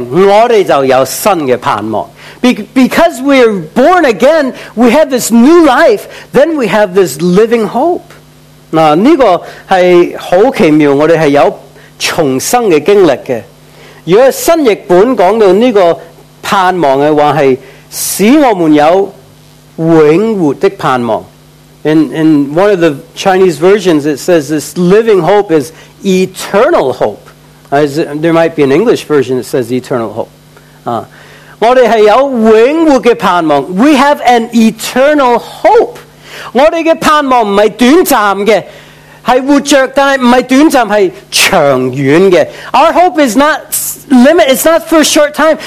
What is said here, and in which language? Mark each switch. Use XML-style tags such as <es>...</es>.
<zh>但我们因为我们重生,我们有新的生命,我们就有新的盼望.</zh> <en>Because we are born again, we have this new life, then we have this living hope.</en> <zh>这个是很奇妙,我们是有重生的经历的. 如果新译本讲到这个盼望的话,是使我们有永活的盼望.</zh> <en>In one of the Chinese versions, it says this living hope is eternal hope. As there might be an English version that says eternal hope.</en> <zh>我们是有永活的盼望.</zh> <en>We have an eternal hope.</en> <zh>我们的盼望不是短暂的,是活着,但不是短暂,是长远的.</zh> <en>Our hope is not limit, it's not for a short time.</en>